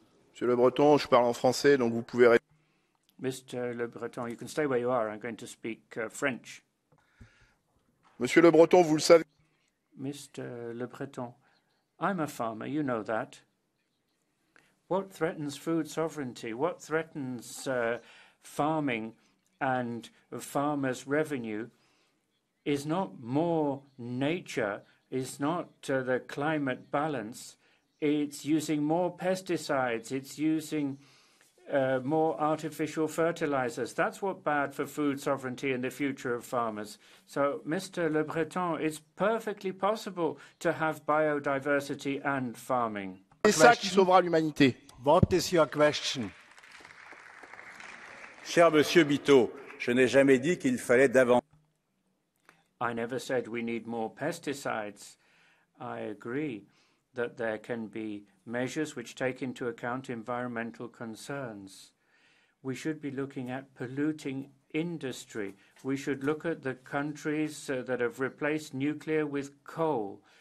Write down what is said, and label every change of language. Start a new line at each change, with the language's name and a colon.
French: Monsieur Le Breton, je parle en français, donc vous pouvez.
English: Mr. Le Breton, you can stay where you are. I'm going to speak French.
French: Monsieur Le Breton, vous le savez.
English: Mr. Le Breton, I'm a farmer, you know that. What threatens food sovereignty? What threatens farming and farmers' revenue is not more nature, is not the climate balance. It's using more pesticides. It's using more artificial fertilizers. That's what's bad for food sovereignty and the future of farmers. So, Mr. Le Breton, it's perfectly possible to have biodiversity and farming. What is your question?
French: Cher Monsieur Bito, je n'ai jamais dit qu'il fallait davantage.
English: I never said we need more pesticides. I agree that there can be measures which take into account environmental concerns. We should be looking at polluting industry. We should look at the countries that have replaced nuclear with coal.